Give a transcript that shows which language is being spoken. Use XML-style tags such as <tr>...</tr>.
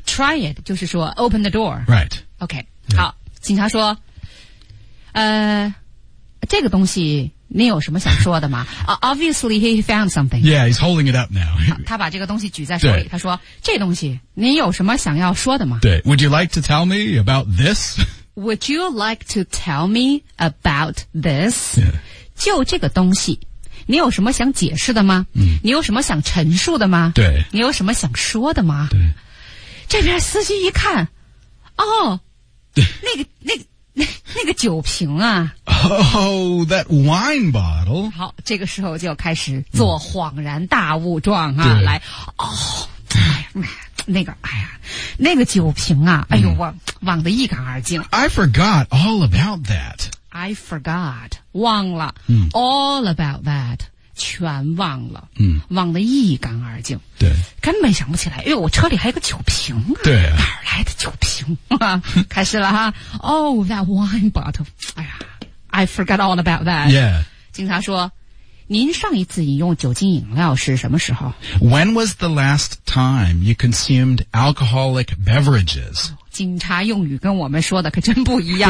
<en>Try it</en> <zh>就是说</zh> <en>open the door. Right. OK.、Yeah.</en> <zh>好，警察说，这个东西。你有什么想说的吗？</zh> <en>Obviously he found something. Yeah, he's holding it up now.</en> <zh>他把这个东西举在手里，他说，这东西，你有什么想要说的吗？对，</zh> <en>would you like to tell me about this? Would you like to tell me about this? Yeah.</en> <zh>就这个东西，你有什么想解释的吗？嗯，你有什么想陈述的吗？对。你有什么想说的吗？对。这边司机一看，哦，对，那个酒瓶啊。</zh> <en>Oh, that wine bottle.</en> <zh>好，这个时候就开始做恍然大悟状啊，来，哦，那个酒瓶啊，哎呦，我忘得一干二净。</zh> <en>I forgot all about that. I forgot,</en> <zh>忘了，</zh> <en>all about that,</en> <zh>全忘了，忘得一干二净。对。根本想不起来，哎呦，我车里还有个酒瓶啊。对啊。哪儿来的酒瓶啊？开始了啊。</zh> <en>Oh, that wine bottle.</en> <zh>哎呀。</zh> <en>I forgot all about that. Yeah.</en> <zh>警察说，您上一次饮用酒精饮料是什么时候？</zh> <en>When was the last time you consumed alcoholic beverages?</en> <zh>警察用语跟我们说的可真不一样。</zh>